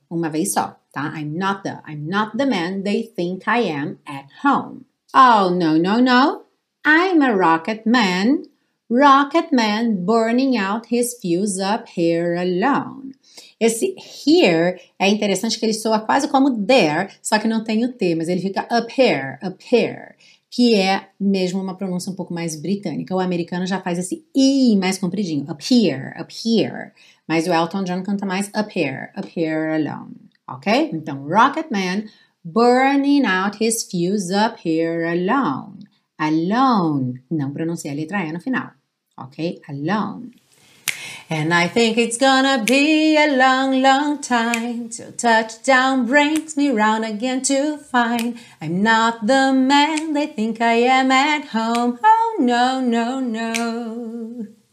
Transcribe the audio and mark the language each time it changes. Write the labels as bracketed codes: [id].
[pt] Uma vez só, tá? [en] I'm not the man they think I am at home. Oh, no. I'm a rocket man. Rocket man burning out his fuse up here alone. [pt] Esse here é interessante que ele soa quase como there, só que não tem o T, mas ele fica up here, que é mesmo uma pronúncia um pouco mais britânica. O americano já faz esse I mais compridinho, up here, mas o Elton John canta mais up here alone, ok? [en] Então, rocket man burning out his fuse up here alone. [pt] Alone, não pronuncia a letra E no final. Ok? Alone. [en] And I think it's gonna be a long, long time till touchdown brings me round again to find I'm not the man they think I am at home. Oh, no.